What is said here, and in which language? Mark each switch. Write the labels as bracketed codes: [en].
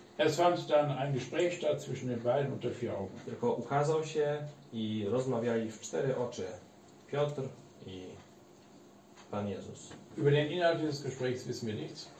[de] Es fand dann ein Gespräch statt zwischen den beiden unter vier Augen. [pl] Tylko ukazał się i rozmawiali w cztery oczy Piotr i Pan Jezus. [de] Über den Inhalt dieses Gesprächs wissen wir nichts.